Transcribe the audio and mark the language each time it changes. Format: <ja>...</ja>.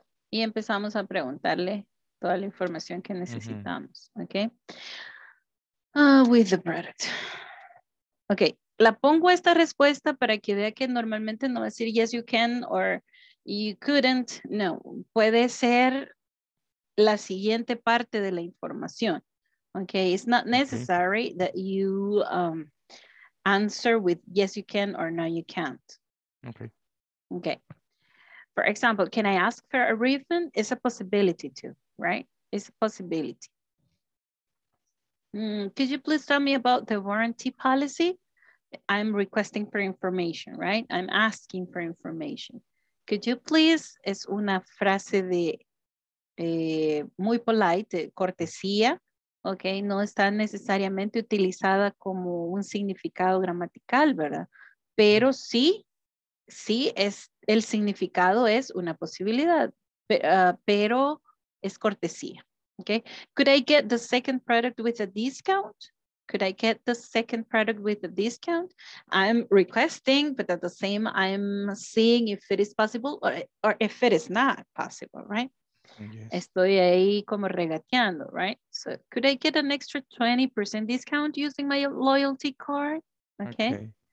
<es>Y empezamos a preguntarle toda la información que necesitamos, okay?</es> <en>With the product.</en> <es>Okay, la pongo esta respuesta para que vea que normalmente no va a decir</es> <en>yes you can or you couldn't.</en> <es>No, puede ser la siguiente parte de la información.</es> <en>Okay, it's not necessary that you answer with yes you can or no you can't. Okay. For example, can I ask for a refund? It's a possibility too, right? It's a possibility. Could you please tell me about the warranty policy? I'm requesting for information, right? I'm asking for information. Could you please?</en> <es>Es una frase de muy polite, de cortesía, okay? No está necesariamente utilizada como un significado gramatical, ¿verdad? Pero sí, sí es. El significado es una posibilidad, pero es cortesía, okay?</es> <en>Could I get the second product with a discount? Could I get the second product with a discount? I'm requesting, but at the same, I'm seeing if it is possible or if it is not possible, right? Yes.</en> <es>Estoy ahí como regateando,</es> <en>right? So could I get an extra 20% discount using my loyalty card? Okay.</en>